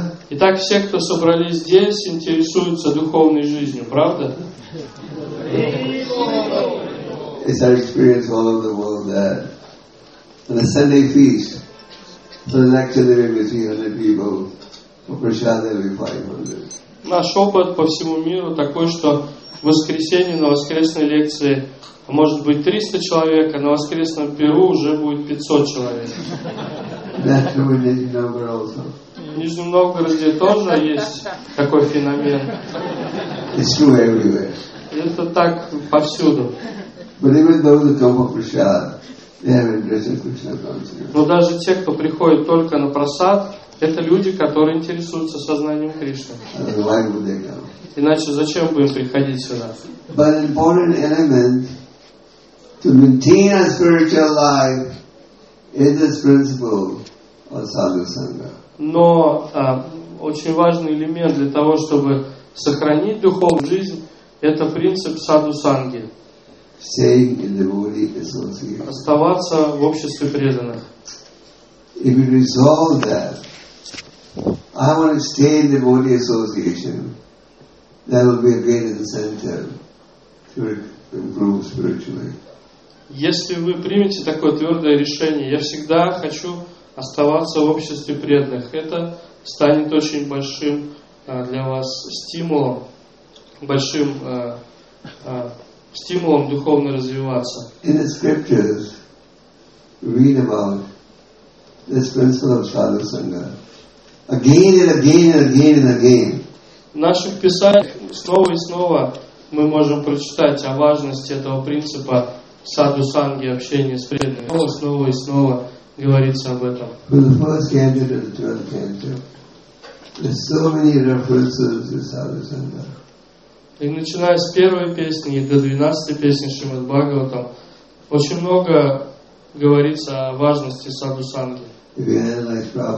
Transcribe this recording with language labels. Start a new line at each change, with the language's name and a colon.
Russian: Итак, все, кто собрались здесь, интересуются духовной жизнью, правда?
English: It's our experience all over the world that on a Sunday feast, for the next year there will be 300 people, for Prashad there will be 500.
Russian: Наш опыт по всему миру такой, что в воскресенье на воскресной лекции может быть 300 человек, а на воскресном пиру уже будет 500 человек. В Нижнем Новгороде тоже есть такой феномен.
English: It's true everywhere.
Russian: Это так повсюду.
English: But even those who come for prasad, they have interest in Krishna consciousness.
Russian: Но даже те, кто приходит только на прасад, это люди, которые интересуются сознанием Кришны.
English: Why would they come?
Russian: Иначе зачем будем приходить сюда?
English: But an important element to maintain a spiritual life is this principle of sadhu sangha.
Russian: Но очень важный элемент для того, чтобы сохранить духовную жизнь, это принцип саду санги.
English: Staying in the holy association.
Russian: Оставаться в обществе преданных.
English: If you resolve that, I want to stay in the holy association, that will be a great incentive to improve spiritually.
Russian: Если вы примете такое твердое решение, я всегда хочу оставаться в обществе преданных, это станет очень большим для вас стимулом, большим стимулом духовно развиваться.
English: In the scriptures, read about this principle of sadhu sangha again and again and again and again.
Russian: В наших писаниях снова и снова мы можем прочитать о важности этого принципа саду санги, общения с преданными. Снова, снова и снова говорится об этом.
English: From the first canto to the 12th canto, there's so many references to sadhu sangha.
Russian: И начиная с первой песни и до 12-й песни Шримад Бхагаватам, очень много говорится о важности саду санги.